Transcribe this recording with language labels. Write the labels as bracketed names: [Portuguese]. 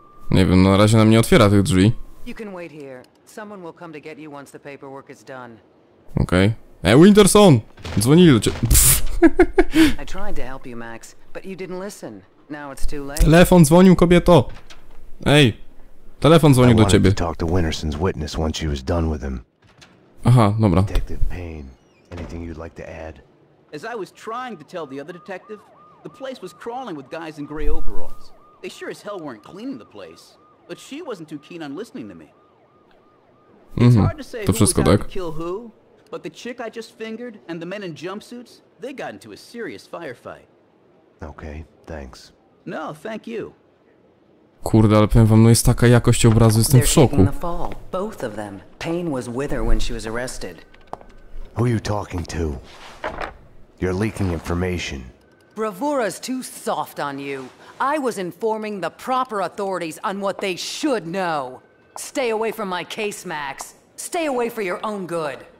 [Polish] Nie wiem, na razie nam nie otwiera tych drzwi. [English] You can wait here. Someone will come to get you once the paperwork is done. [Polish] Okej. Okay. Winterson! Dzwonili do ciebie. [English] I tried to help you, Max, but you didn't listen. Now it's too late. [Polish] Telefon dzwonił, kobieto. Ej. Telefon dzwonił do ciebie. [English] I wanted to talk to Winterson's witness once she was done with him. [Polish] Aha, dobra. [English] Detective Payne, anything you'd like to add? As I was trying to tell the other detective, the place was crawling with guys in gray overalls. They sure as hell weren't cleaning the place, but she wasn't too keen on listening to me. [Polish] To wszystko, tak? [English] Kill who, but the chick I just fingered and the men in jumpsuits, they got into a serious firefight. Okay, thanks. No, thank you. [Polish] Kurde, ale powiem wam, no jest taka jakość obrazu, jestem w szoku. [English] They're taking the fall, both of them. Payne was with her when she was arrested. Who are you talking to? You're leaking information. Bravura's too soft on you. I was informing the proper authorities on what they should know. Stay away from my case, Max. Stay away for your own good.